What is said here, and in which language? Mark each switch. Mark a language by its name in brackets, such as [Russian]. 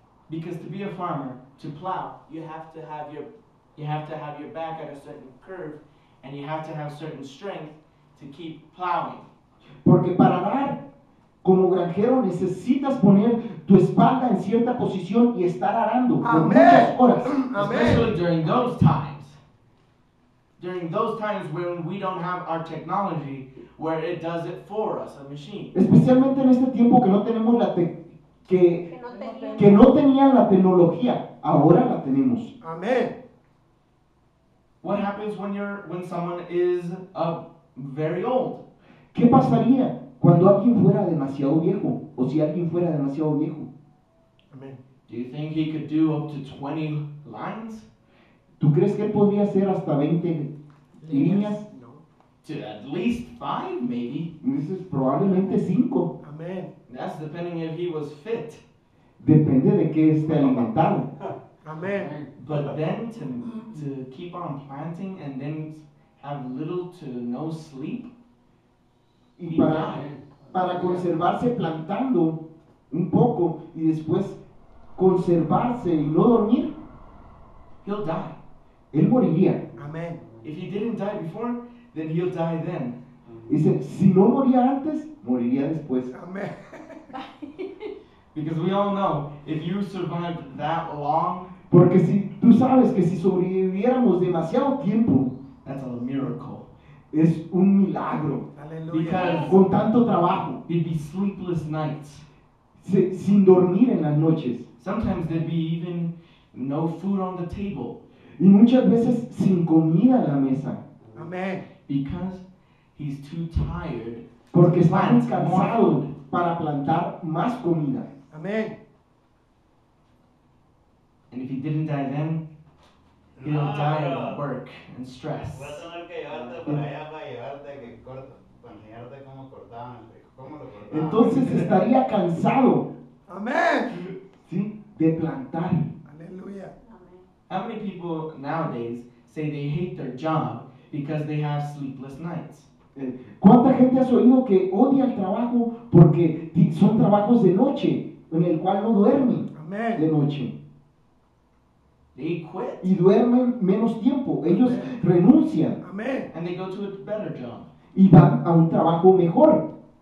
[English] Because to be a farmer, to plow, you have to have your back at a certain curve, and you have to have certain strength to keep plowing. [Spanish] Porque para arar, como granjero, necesitas poner tu espalda en cierta posición y estar arando por muchas horas. [English] Amen. Especially during those times. During those times when we don't have our technology where it does it for us, a machine. [Spanish] Especialmente en este tiempo que no tenemos que no tenían la tecnología, ahora la tenemos. [English] Amen. What happens when someone is a very old? [Spanish] ¿Qué pasaría cuando alguien fuera demasiado viejo? ¿O si alguien fuera demasiado viejo? [English] Amen. Do you think he could do up to 20 lines? [Spanish] ¿Tú crees que él podría hacer hasta 20 líneas? [English] No. To at least 5, maybe. [Spanish] Dices, probablemente 5. [English] Amen. That's depending if he was fit. [Spanish] Depende de qué esté alimentado. [English] Amen. But then to keep on planting and then have little to no sleep? [Spanish] Y para conservarse plantando un poco y después conservarse y no dormir, [English] he'll die. [Spanish] Él moriría. [English] Amen. If he didn't die before, then he'll die then. [Spanish] Dice, si no moría antes, moriría después. [English] Amen. Because we all know, if you survived that long, [Spanish] porque si tú sabes que si sobreviviéramos demasiado tiempo, [English] that's a miracle. [Spanish] Es un milagro. Aleluya. Con tanto trabajo. [English] It'd be sleepless nights. [Spanish] Sin dormir en las noches. [English] Sometimes there'd be even no food on the table. [Spanish] Y muchas veces sin comida en la mesa. [English] Amen. Because he's too tired. [Spanish] Porque está muy cansado para plantar más comida. [English] Amen. And if he didn't die then, he'll die of work and stress. [Spanish] Voy a tener que llevarte para allá para llevarte que corto, para enseñarte cómo cortaban, cómo lo cortaban. Entonces estaría cansado. Amén. Sí, de plantar. Aleluya. Amén. [English] How many people nowadays say they hate their job because they have sleepless nights? [Spanish] ¿Cuánta gente has oído que odia el trabajo porque son trabajos de noche en el cual no duermen? Amén. De noche. [English] They quit. [Spanish] Y duermen menos tiempo. Ellos Amen. Renuncian. [English] Amen. And they go to a better job. [Spanish] Y van a un trabajo mejor.